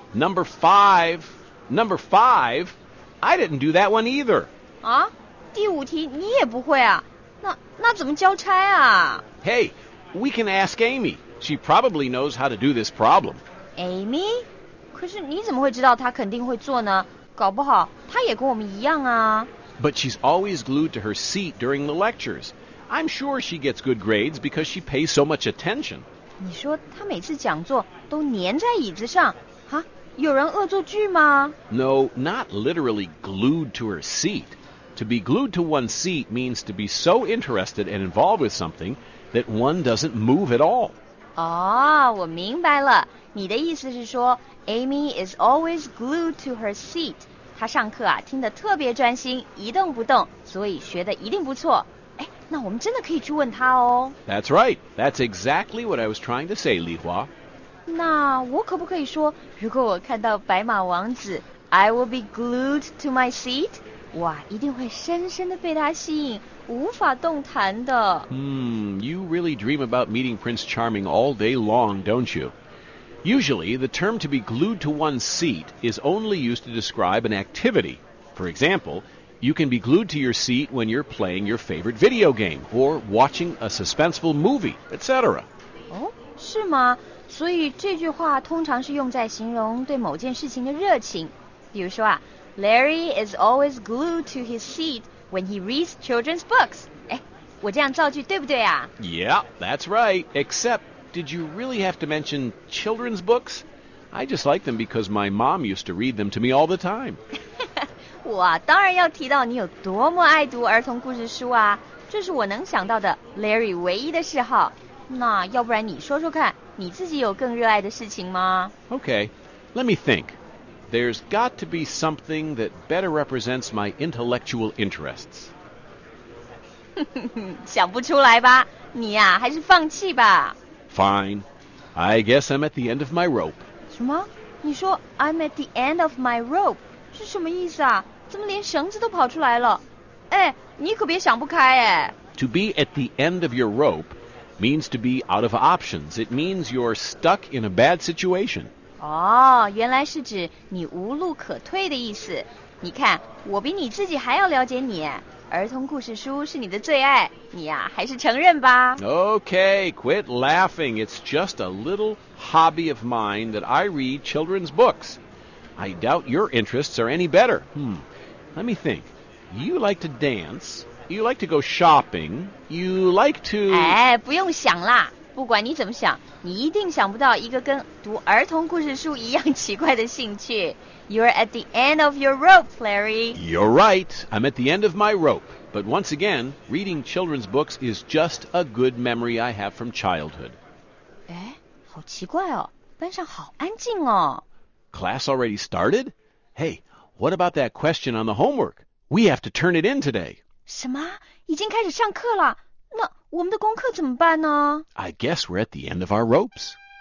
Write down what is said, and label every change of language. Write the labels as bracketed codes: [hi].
[en] Number five, I didn't do that one either. [zh] 啊？第五题你也不会啊？那怎么交差啊？ [en] Hey, we can ask Amy. She probably knows how to do this problem. Amy? [zh] 可是你怎么会知道她肯定会做呢？搞不好她也跟我们一样啊。 [en] But she's always glued to her seat during the lectures. I'm sure she gets good grades because she pays so much attention. [zh] 你说她每次讲座都粘在椅子上，啊？有人恶作剧吗？ [en] No, not literally glued to her seat. To be glued to one's seat means to be so interested and involved with something that one doesn't move at all. [zh] 哦，我明白了。你的意思是说 [en] Amy is always glued to her seat. [zh] 他上课啊，听得特别专心，一动不动，所以学得一定不错。哎，那我们真的可以去问他哦。 [en] That's right. That's exactly what I was trying to say, 李华。 [zh] 那我可不可以说，如果我看到白马王子 ， [en] I will be glued to my seat， [zh] 哇，一定会深深地被他吸引，无法动弹的。 [en] You really dream about meeting Prince Charming all day long, don't you? Usually, the term to be glued to one's seat is only used to describe an activity. For example, you can be glued to your seat when you're playing your favorite video game or watching a suspenseful movie, etc. [zh] 哦，是吗？所以这句话通常是用在形容对某件事情的热情。比如说啊， [en] Larry is always glued to his seat when he reads children's books. [zh] 哎，我这样造句对不对啊？ [en] Yeah, that's right, except...Did you really have to mention children's books? I just like them because my mom used to read them to me all the time. [zh] 我当然要提到你有多么爱读儿童故事书啊，这是我能想到的 Larry 唯一的嗜好。那要不然你说说看，你自己有更热爱的事情吗？ [en] Okay, let me think. There's got to be something that better represents my intellectual interests. [zh] 想不出来吧？你呀，还是放弃吧。 [en] Fine. I guess I'm at the end of my rope. [zh] 什么？你说 [en] I'm at the end of my rope [zh] 是什么意思啊？怎么连绳子都跑出来了？哎，你可别想不开哎。 [en] To be at the end of your rope means to be out of options. It means you're stuck in a bad situation. [zh] 哦，原来是指你无路可退的意思。你看，我比你自己还要了解你。儿童故事书是你的最爱，你呀，还是承认吧。 [en] Okay, quit laughing. It's just a little hobby of mine that I read children's books. I doubt your interests are any better. Let me think. You like to dance. You like to go shopping. You like to... [zh] 哎，不用想啦。不管你怎么想，你一定想不到一个跟读儿童故事书一样奇怪的兴趣。 [en] You're at the end of your rope, Larry. You're right. I'm at the end of my rope. But once again, reading children's books is just a good memory I have from childhood. [zh] 哎，好奇怪哦，班上好安静哦。 [en] Class already started? Hey, what about that question on the homework? We have to turn it in today. [zh] 什么？已经开始上课了？那我们的功课怎么办呢？ [en] I guess we're at the end of our ropes.